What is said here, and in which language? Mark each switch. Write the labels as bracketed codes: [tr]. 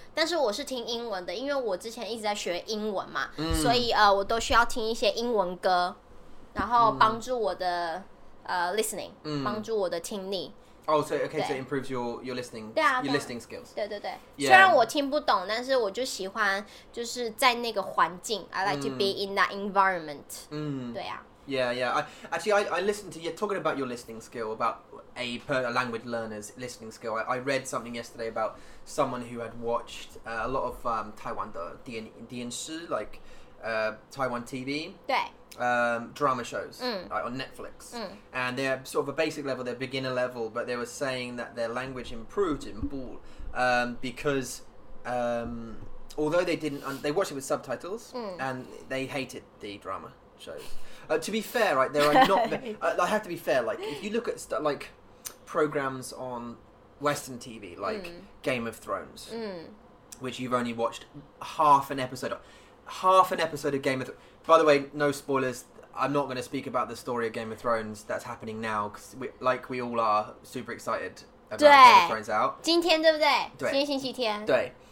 [zh] 但是我是听英文的，因为我之前一直在学英文嘛，所以我都需要听一些英文歌，然后帮助我的listening， 帮助我的听力。 [en] Oh, so okay, so it improves your listening, your listening skills. [zh] 对对对， yeah. 虽然我听不懂，但是我就喜欢就是在那个环境。 [en] I like to be in that environment. [zh] 对啊。 [en] Yeah, yeah. I listened to you talking about your listening skill, about a language learner's listening skill. I read something yesterday about someone who had watched a lot of Taiwan [zh] 的电视, [en] like Taiwan TV, [zh] 对, [en] drama shows like on Netflix. And they're sort of a basic level, they're beginner level, but they were saying that their language improved in Bull because although they watched it with subtitles and they hated the drama shows. To be fair, right, there are not... I have to be fair, like, if you look at, like, programs on Western TV, like Game of Thrones, which you've only watched half an episode of. Half an episode of Game of Thrones. By the way, no spoilers. I'm not going to speak about the story of Game of Thrones that's happening now, because we all are super excited about Game of Thrones out. [zh] 今天对不对？今天星期天。对。